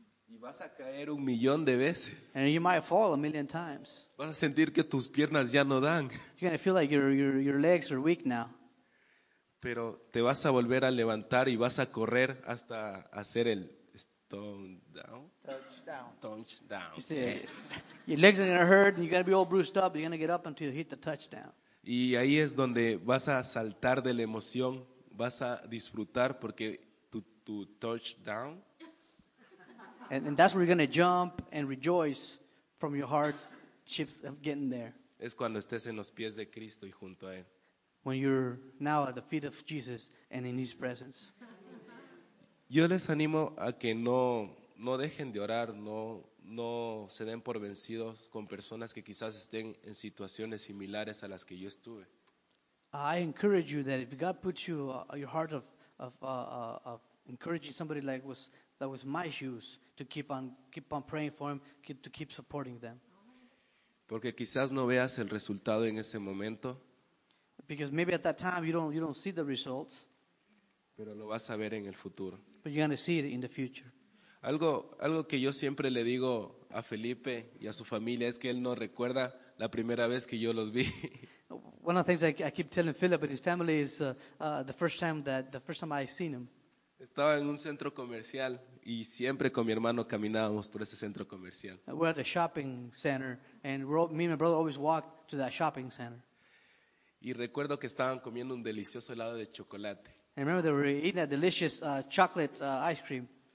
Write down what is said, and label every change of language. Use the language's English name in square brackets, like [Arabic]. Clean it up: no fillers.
[Spanish] Y vas a caer un millón de veces. [English] And you might fall a million times. [Spanish] Vas a sentir que tus piernas ya no dan. [English] You're gonna feel like your legs are weak now. [Spanish] Pero te vas a volver a levantar y vas a correr hasta hacer el stone down. [English] Touchdown. You see, yes. Your legs are gonna hurt and you're gonna be all bruised up. You're gonna get up until you hit the touchdown. [Spanish] Y ahí es donde vas a saltar de la emoción. Vas a disfrutar porque tu touchdown. [English] And that's where you're gonna jump and rejoice from your hardship of getting there. [Spanish] Es cuando estés en los pies de Cristo y junto a él. [English] When you're now at the feet of Jesus and in His presence. [Spanish] Yo les animo a que no dejen de orar, no se den por vencidos con personas que quizás estén en situaciones similares a las que yo estuve. [English] I encourage you that if God puts you your heart of encouraging somebody like that was my shoes, to keep on praying for him, to keep supporting them. [Spanish] Porque quizás no veas el resultado en ese momento. [English] Because maybe at that time you don't see the results. [Spanish] Pero lo vas a ver en el futuro. [English] But you're going to see it in the future. [Spanish] Algo que yo siempre le digo a Felipe y a su familia es que él no recuerda la primera vez que yo los vi. [English] One of the things I keep telling Philip and his family is the first time I seen him. [Spanish] Estaba en un centro comercial y siempre con mi hermano caminábamos por ese centro comercial. [English] We're at a shopping center and me and my brother always walked to that shopping center. [Spanish] Y recuerdo que estaban comiendo un delicioso helado de chocolate. [English] And remember they were eating a delicious chocolate ice cream.